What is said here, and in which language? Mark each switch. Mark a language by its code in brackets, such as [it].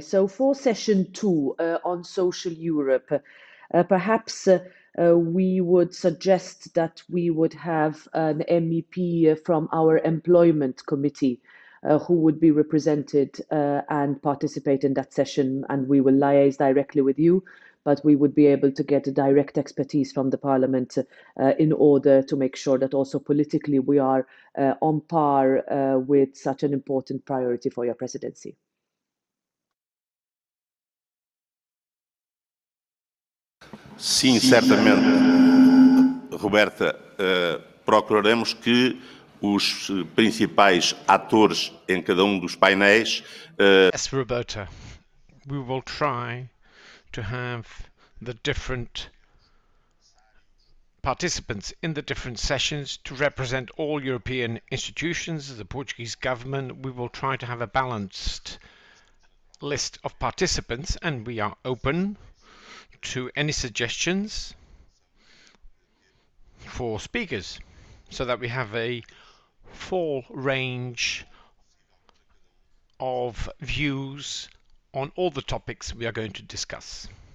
[en] So for session two on social Europe, perhaps we would suggest that we would have an MEP from our employment committee who would be represented and participate in that session, and we will liaise directly with you, but we would be able to get a direct expertise from the parliament in order to make sure that also politically we are on par with such an important priority for your presidency. [pt] Sim, certamente, Roberta, procuraremos que os principais atores em cada dos painéis... [en] Yes, Roberta, we will try to have the different participants in the different sessions to represent all European institutions, the Portuguese government. We will try to have a balanced list of participants, and we are open to any suggestions for speakers, so that we have a full range of views on all the topics we are going to discuss.